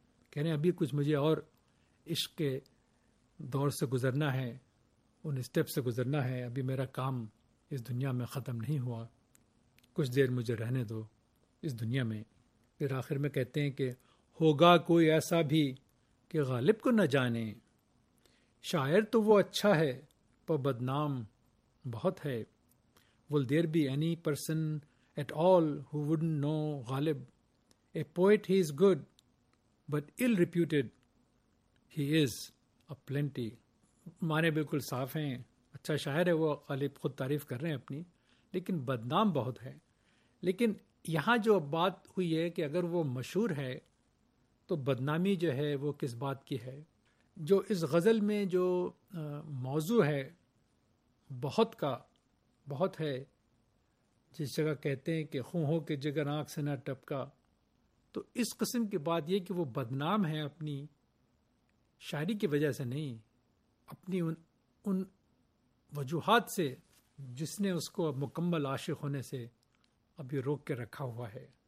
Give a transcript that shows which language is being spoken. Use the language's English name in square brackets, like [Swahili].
[Urdu] کہہ رہے ہیں ابھی کچھ مجھے اور عشق کے دور سے گزرنا ہے, ان اسٹیپ سے گزرنا ہے, ابھی میرا کام اس دنیا میں ختم نہیں ہوا, کچھ دیر مجھے رہنے دو اس دنیا میں. پھر آخر میں کہتے ہیں کہ ہوگا کوئی ایسا بھی کہ غالب کو نہ جانے, شاعر تو وہ اچھا ہے پر بدنام بہت ہے. [English] Will there be any person at all who wouldn't know Ghalib, a poet he is good but ill reputed he is a plenty. [Urdu] معنی بالکل صاف ہیں, اچھا شاعر ہے وہ غالب, خود تعریف کر رہے ہیں اپنی, لیکن بدنام بہت ہے. لیکن یہاں جو بات ہوئی ہے کہ اگر وہ مشہور ہے تو بدنامی جو ہے وہ کس بات کی ہے. جو اس غزل میں جو موضوع ہے بہت کا بہت ہے, جس جگہ کہتے ہیں کہ خون ہو کے جگر آنکھ سے نہ ٹپکا, تو اس قسم کی بات یہ کہ وہ بدنام ہے اپنی شاعری کی وجہ سے نہیں, اپنی ان وجوہات سے جس نے اس کو اب مکمل عاشق ہونے سے اب یہ روک کے رکھا ہوا ہے.